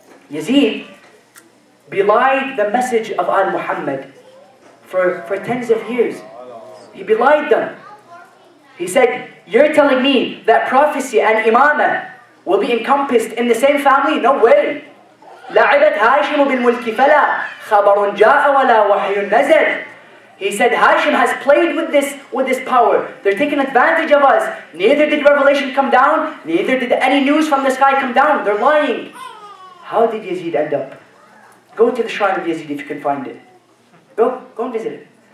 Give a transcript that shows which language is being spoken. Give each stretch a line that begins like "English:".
English: Yazid belied the message of Al-Muhammad for tens of years. He belied them. He said, you're telling me that prophecy and imamah will be encompassed in the same family? No way.
Arabic: لعبت هاشم بالملك فلا خبر جاء ولا وحي نزل.
English: He said, Hashim has played with this power. They're taking advantage of us. Neither did revelation come down, neither did any news from the sky come down. They're lying. How did Yazid end up? Go to the shrine of Yazid if you can find it. Go and visit it.